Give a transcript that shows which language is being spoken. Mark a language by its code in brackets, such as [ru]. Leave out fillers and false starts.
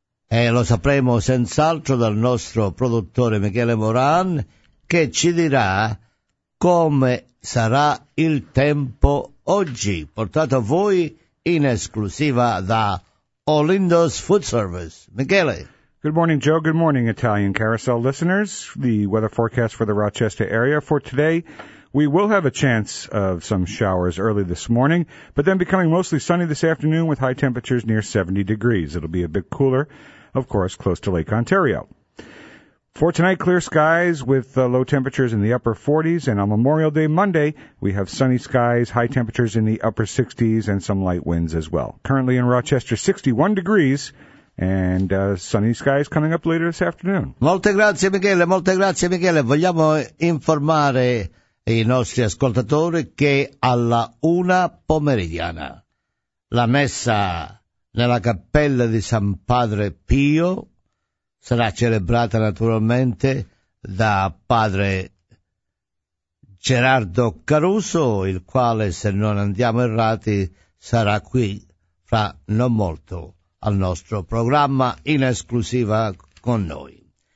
[it] Lo sapremo senz'altro dal nostro produttore Michele Moran, che ci dirà come sarà il tempo oggi, portato a voi in esclusiva da Olindo's Food Service. Michele. [en] Good morning, Joe. Good morning, Italian Carousel listeners. The weather forecast for the Rochester area for today. We will have a chance of some showers early this morning, but then becoming mostly sunny this afternoon with high temperatures near 70 degrees. It'll be a bit cooler. Of course, close to Lake Ontario. For tonight, clear skies with low temperatures in the upper 40s, and on Memorial Day Monday, we have sunny skies, high temperatures in the upper 60s, and some light winds as well. Currently in Rochester, 61 degrees, and sunny skies coming up later this afternoon. [it] Molte grazie, Michele. Molte grazie, Michele. Vogliamo informare i nostri ascoltatori che alla una pomeridiana la messa nella cappella di San Padre Pio sarà celebrata naturalmente da Padre Gerardo Caruso, il quale, se non andiamo errati, sarà qui fra non molto al nostro programma in esclusiva con noi.